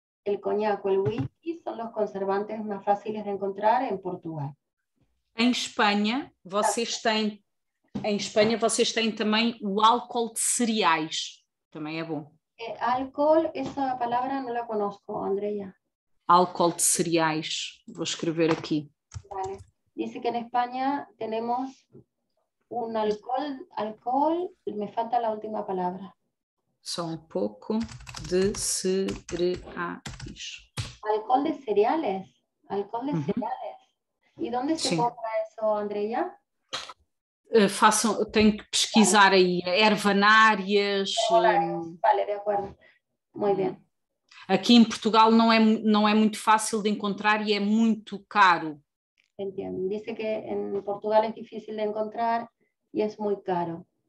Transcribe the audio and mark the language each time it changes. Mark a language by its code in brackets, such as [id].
[pt] O conhaque e o whisky são os conservantes mais fáceis de encontrar em Portugal. Em Espanha, vocês têm... Em Espanha vocês têm também o álcool de cereais, também é bom. Álcool, essa palavra não la conosco, Andrea. Álcool de cereais, vou escrever aqui. [es] Vale. Dice que en España tenemos un alcohol, me falta la última palabra. [pt] Só um pouco, de cereais. [es] Alcohol de cereales. Alcohol de cereales. ¿Y dónde se compra eso, Andrea? [pt] Tenho que pesquisar aí ervanárias. Vale, de acordo. Muito bem. Aqui em Portugal não é muito fácil de encontrar e é muito caro. Entendo. Diz que em Portugal é difícil de encontrar e é muito caro.